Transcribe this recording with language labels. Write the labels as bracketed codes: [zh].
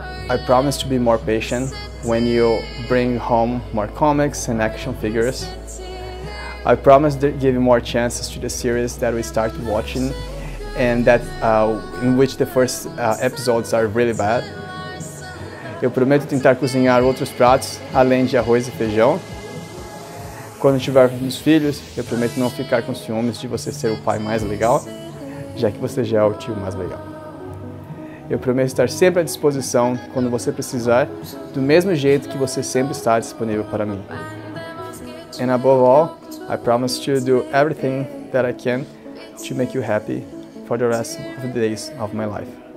[en] I promise to be more patient when you bring home more comics and action figures. I promise to give you more chances to the series that we start watching and that in which the first episodes are really bad. [pt] Eu prometo tentar cozinhar outros pratos, além de arroz e feijão. Quando tiver meus filhos, eu prometo não ficar com ciúmes de você ser o pai mais legal, já que você já é o tio mais legal. Eu prometo estar sempre à disposição quando você precisar, do mesmo jeito que você sempre está disponível para mim. [en] And above all, I promise to do everything that I can to make you happy for the rest of the days of my life.